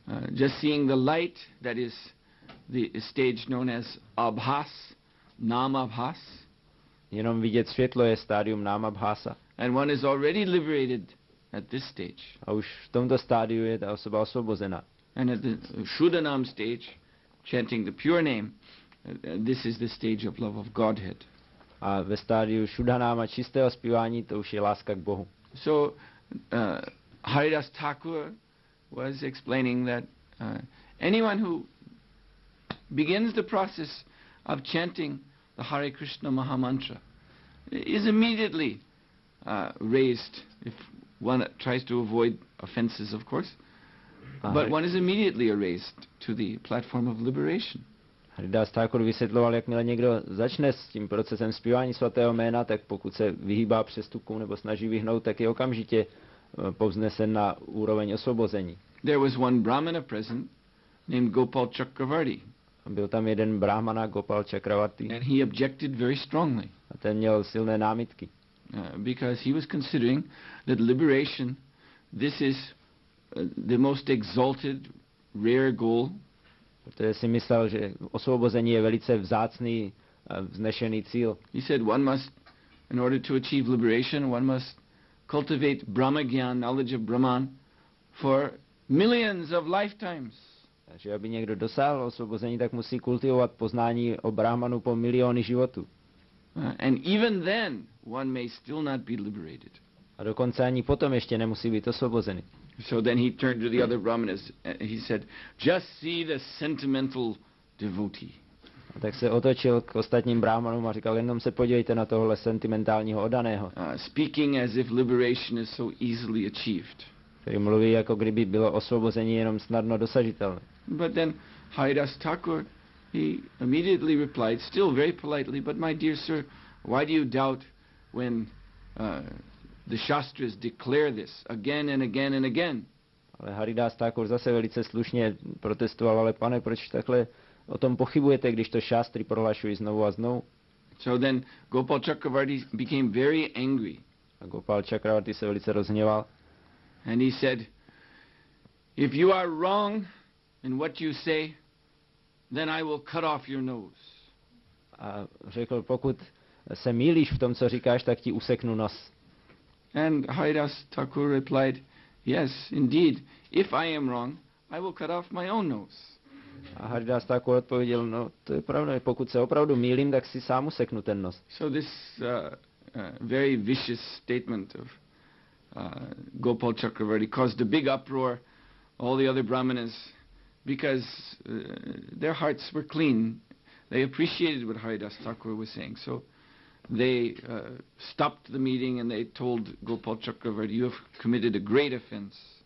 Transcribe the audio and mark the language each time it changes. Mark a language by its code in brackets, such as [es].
[en] Just seeing the light, that is the stage known as abhas, namabhas. [cs] Jenom vidět světlo je stádium namabhasa. [en] And one is already liberated at this stage. [cs] A už v tomto stádiu je ta osoba osvobozena. [en] And at the shudanam stage, chanting the pure name, this is the stage of love of Godhead. [cs] A ve stádiu šudanáma čistého zpívání, to už je láska k Bohu. [en] So, Haridas Thakur was explaining that anyone who begins the process of chanting the Hare Krishna Maha Mantra is immediately raised, if one tries to avoid offenses, of course, but one is immediately raised to the platform of liberation. [cs] Haridas Thakur vysvětloval, jakmile někdo začne s tím procesem zpívání svatého jména, tak pokud se vyhýbá přestupkům nebo snaží vyhnout, tak je okamžitě povznesen na úroveň osvobození. [en] There was one brahmana present named Gopal Chakravarti. [cs] Byl tam jeden brahmana Gopal Chakravarti. [en] And he objected very strongly. [cs] A ten měl silné námitky. [en] Because he was considering that liberation, this is the most exalted, rare goal. [cs] Protože si myslel, že osvobození je velice vzácný, vznešený cíl. [en] He said one must, in order to achieve liberation, one must cultivate brahmagyan, knowledge of Brahman, for millions of lifetimes. [cs] Takže aby někdo dosáhl osvobození, tak musí kultivovat poznání o Brahmanu po miliony životů. [en] And even then, one may still not be liberated. [cs] A dokonce ani potom ještě nemusí být osvobozený. [en] So then he turned to the other brahmanas. He said, just see the sentimental devotee. [cs] A tak se otočil k ostatním brahmanům a říkal, jenom se podívejte na tohle sentimentálního oddaného. [en] Speaking as if liberation is so easily achieved. [cs] Který mluví, jako kdyby bylo osvobození jenom snadno dosažitelné. [en] But then Haridas Thakur, he immediately replied, still very politely, but my dear sir, why do you doubt when the Shastras declare this again and again and again? [cs] Ale Haridas Thakur zase velice slušně protestoval, ale pane, proč takhle o tom pochybujete, když to Shastry prohlašují znovu a znovu? [en] So then Gopal Chakravarti became very angry. [cs] A Gopal Chakravarti se velice rozhněval. [en] And he said, if you are wrong in what you say, then I will cut off your nose. [cs] A řekl, pokud se mýlíš v tom, co říkáš, tak ti useknu nos. [en] And Haridas Thakur replied, yes, indeed, if I am wrong, I will cut off my own nose. [cs] A Haridas Thakur odpověděl, no to je pravda, pokud se opravdu mýlím, tak si sám useknu ten nos. [en] So this very vicious statement of Gopal Chakravarti caused a big uproar, all the other brahmanas, because their hearts were clean. They appreciated what Haridas Thakur was saying. So they stopped the meeting and they told Gopal Chakravarti, you have committed a great offense.